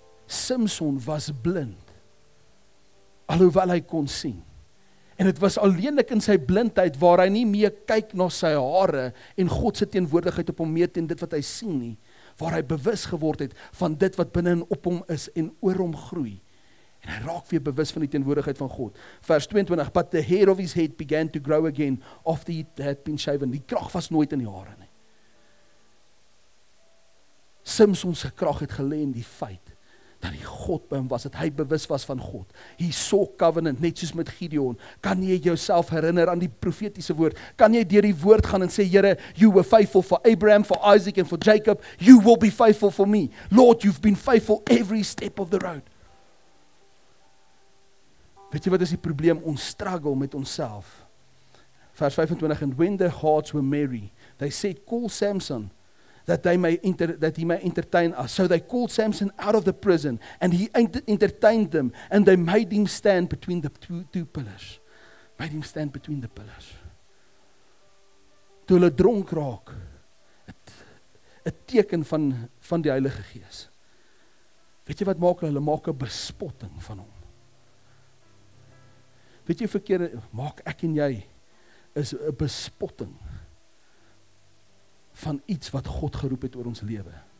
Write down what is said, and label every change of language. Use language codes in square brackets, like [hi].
[af] Samson was blind, alhoewel hy kon sien. En het was alleenlik in sy blindheid waar hy nie meer kyk na sy hare en God se teenwoordigheid op hom meet en dit wat hy sien nie, waar hy bewus geword het van dit wat binne en op hom is en oor hom groei. En hy raak weer bewus van die teenwoordigheid van God. [en] Vers 22, but the hair of his head began to grow again after it had been shaven. [af] Die krag was nooit in die hare nie. Samson se krag het gelê in die feit dat die God by hom was, dat hy bewus was van God. [en] He saw covenant, [af] net soos met Gideon. Kan jy jouself herinner aan die profetiese woord? Kan jy deur die woord gaan en sê, Here, [en] you were faithful for Abraham, for Isaac and for Jacob, you will be faithful for me. Lord, you've been faithful every step of the road. [af] Weet jy wat is die probleem? Ons struggle met onsself. [en] Vers 25, and when their hearts were merry, they said, call Samson, that he may entertain us. So they called Samson out of the prison and he entertained them and they made him stand between the two pillars. Made him stand between the pillars. [af] Toe hulle dronk raak, 'n teken van die Heilige Gees. Weet jy wat maak hulle? Hulle maak 'n bespotting van hom. Weet jy verkeerde, maak ek en jy is 'n bespotting van iets wat God geroep het oor ons lewe.